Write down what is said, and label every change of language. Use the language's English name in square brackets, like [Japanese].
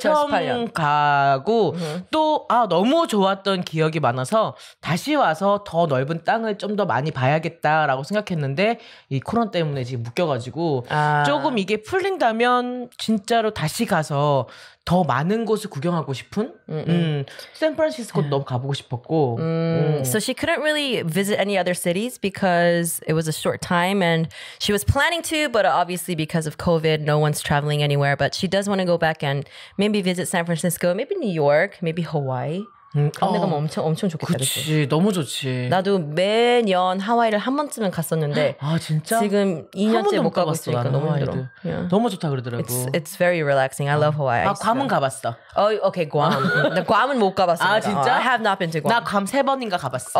[Korean] 처음 가고, 또 아, 너무 좋았던 기억이 많아서 다시 와서 더 넓은 땅을 좀 더 많이 봐야겠다라고 생각했는데 이 코로나 때문에 지금 묶여가지고 아. 조금 이게 풀린다면 진짜로 다시 가서 더 많은 곳을 구경하고 싶은 샌프란시스코도 너무 가보고 싶었고 [English] So she couldn't really visit any other cities because it was a short time and she was planning to but obviously because of COVID no one's traveling anywhere but she does want to go back and maybe visit San Francisco maybe New York maybe Hawaii [Korean] 내가 뭐 엄청 엄청 좋겠다 그치 그랬어. 너무 좋지 나도 매년 하와이를 한 번쯤은 갔었는데 아 진짜? 지금 2년째 못 가고 있으니까 너무 힘들어 [English] yeah. [Korean] 너무 좋다 그러더라고 [English] it's very relaxing I love Hawaii [Korean] 아 괌은 가봤어 [English] oh, okay, [Korean] 괌 나 괌은 못 가봤어 아 진짜? [English] I have not been to Guam [Korean] 나 괌 세 번인가 가봤어